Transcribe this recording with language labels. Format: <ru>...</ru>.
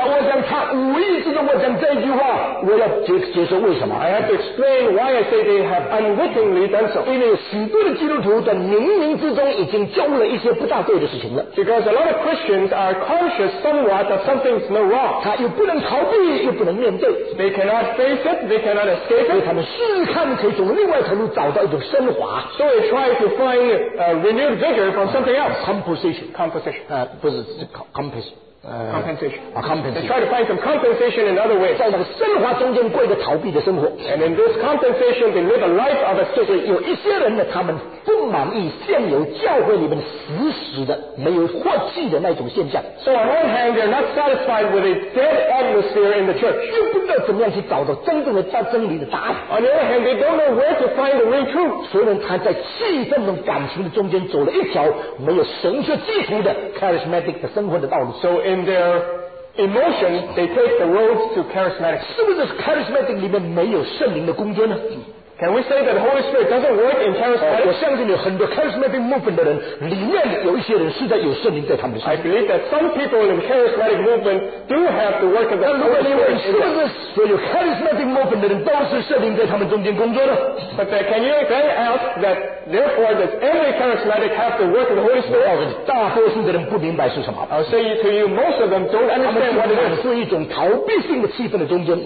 <en>I have to explain why I say they have unwittingly done so. Because a lot of Christians are conscious somewhat that something's no wrong.</en> <zh>他又不能逃避，又不能面对。</zh> <en>They cannot face it, they cannot escape it.</en> <zh>另外一条路找到一种升华,</zh> <en>so they try to find renewed vigor from something else. Composition. Composition.</en> <zh>不是, 是 composition.</zh> <en>compensation. They try to find some compensation in other ways.</en> <zh>在那个生活中间过一个逃避的生活.</zh> <en>And in this compensation, they live a life of a scapegoat.</en> <zh>有一些人呢，他们不满意现有教会里面死死的、没有活祭的那种现象.</zh> <en>So on one hand, they're not satisfied with a dead atmosphere in the church.</en> <zh>又不知道怎么样去找到真正的真理的答案.</zh> <en>On the other hand, they don't know where to find the real truth.</en> <zh>所以他在气氛和感情的中间走了一条没有神学基础的 charismatic 的生活的道路.</zh> <en>So in their emotion, they take the road to charismatic.</en> <zh>是不是 charismatic 里面没有圣灵的空间呢？</zh> <en>Can we say that the Holy Spirit doesn't work in charismatic?</en> <zh>我相信有很多 charismatic movement 的人，里面有一些人是在有圣灵在他们身上。</zh> <en>I believe that some people in charismatic movement do have the work of the Holy Spirit.</en> <zh>那如果你问是不是所有 charismatic movement 的人都是圣灵在他们中间工作呢？</zh> <en>But then, can you then ask that therefore does every charismatic have the work of the Holy Spirit?</en> <zh>我告诉你，大多数的人不明白是什么。</zh> <en>I'll say to you, most of them don't understand what it is.</en> <zh>是一种逃避性的气氛的中间。</zh>